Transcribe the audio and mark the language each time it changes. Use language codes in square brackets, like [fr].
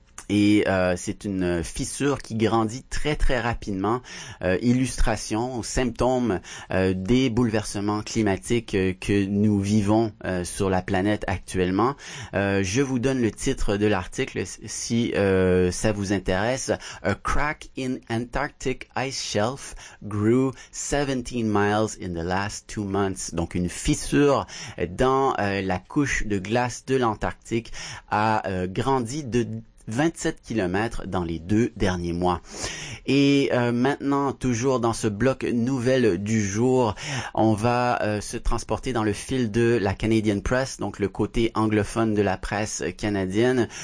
[fr] Et c'est une fissure qui grandit très très rapidement. Illustration, symptôme des bouleversements climatiques que nous vivons sur la planète actuellement. Je vous donne le titre de l'article si ça vous intéresse. [en] A crack in Antarctic ice shelf grew 17 miles in the last 2 months. [fr] Donc une fissure dans la couche de glace de l'Antarctique a grandi de 27 km dans les 2 derniers mois. Et maintenant, toujours dans ce bloc nouvelle du jour, on va se transporter dans le fil de la Canadian Press, donc le côté anglophone de la presse canadienne.